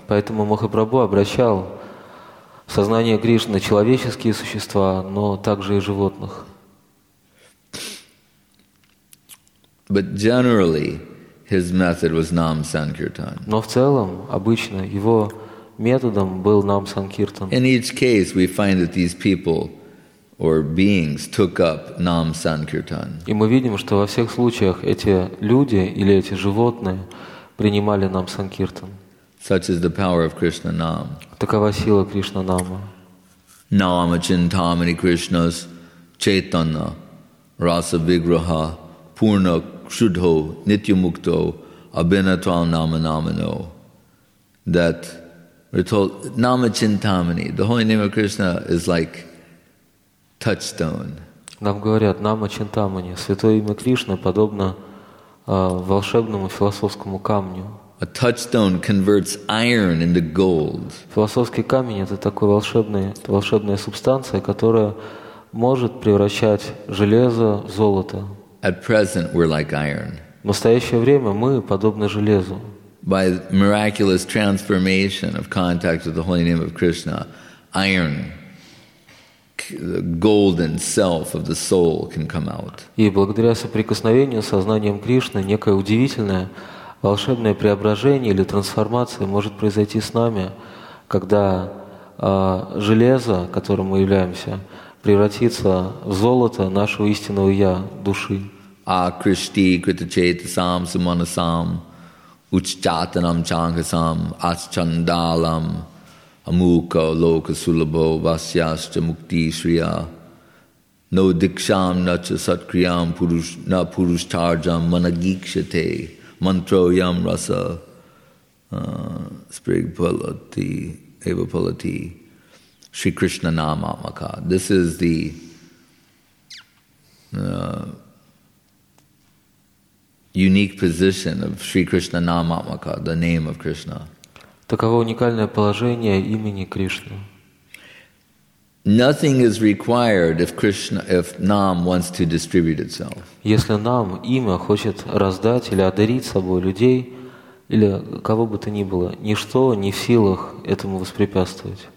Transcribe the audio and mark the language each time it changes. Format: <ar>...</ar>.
<ru>Поэтому Махапрабху обращал сознание Кришны на человеческие существа, но также и животных.</ru> <en>But generally, his method was Nam Sankirtan.</en> <ru>Но в целом, обычно, его методом был Нам Санкиртан.</ru> <en>In each case, we find that these people or beings took up Nam Sankirtan.</en> <ru>И мы видим, что во всех случаях эти люди или эти животные принимали нам санкиртан.</ru> <en>Such is the power of Krishna Nam.</en> <ru>Такова сила Кришна Нама.</ru> <sa>Нама Чинтамани Кришнас Чайтанна Раса Виграха Пурна Shuddho Nityamukto Abhinatval Namanamano.</sa> <en>That we're told Namachintamani, the holy name of Krishna is like touchstone.</en> <ru>Нам говорят Намачинтамани, святое имя Кришны подобно волшебному философскому камню.</ru> <en>A touchstone converts iron into gold.</en> <ru>Философский камень — это такая волшебная субстанция, которая может превращать железо в золото.</ru> <en>At present, we're like iron.</en> <ru>В настоящее время мы подобны железу.</ru> <en>By miraculous transformation of contact with the holy name of Krishna, iron, the golden self of the soul, can come out.</en> <ru>И благодаря соприкосновению с сознанием Кришны некое удивительное волшебное преображение или трансформация может произойти с нами, когда железо, которым мы являемся, превратится в золото нашего истинного Я, Души.</ru> <sa>А Кришти, Критачетасам, Суманасам, Уччатанам, Чангасам, Аччандалам, Амука, Лока, Сулабо, Васьяща, Мукти, Шрия, Но Дикшам, Нача, Саткриям, На Пурушчарджам, Манагикшате, Mantro yam rasa spiripalati evapalati Shri Krishna namamaka.</sa> <en>This is the unique position of Shri Krishna namamaka, the name of Krishna.</en> <ru>Таково уникальное положение имени Кришны.</ru> <en>Nothing is required if Krishna, if Nam wants to distribute itself.</en> <ru>Если Нам, имя, хочет раздать или одарить собой людей, или кого бы то ни было, ничто не в силах этому воспрепятствовать.</ru>